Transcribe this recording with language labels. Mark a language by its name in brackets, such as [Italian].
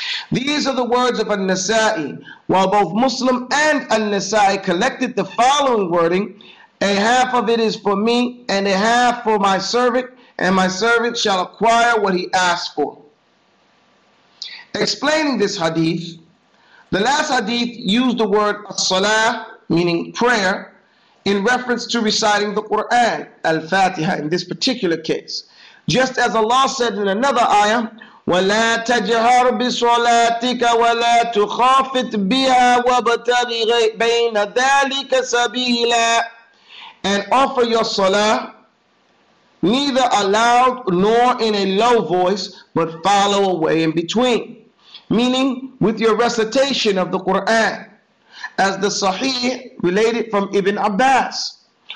[English] These are the words of An-Nasa'i. While both Muslim and An-Nasa'i collected the following wording, a half of it is for me, and a half for my servant, and my servant shall acquire what he asked for. Explaining this hadith, the last hadith used the word as-salah, meaning prayer, in reference to reciting the Quran, al-Fatiha, in this particular case. Just as Allah said in another ayah, [Arabic] ولا تجهر بصلاتك ولا تخافت بها وابتغ بين ذلك سبيلا. [English] And offer your salah, neither aloud nor in a low voice, but follow a way in between. Meaning, with your recitation of the Quran, as the Sahih related from Ibn Abbas.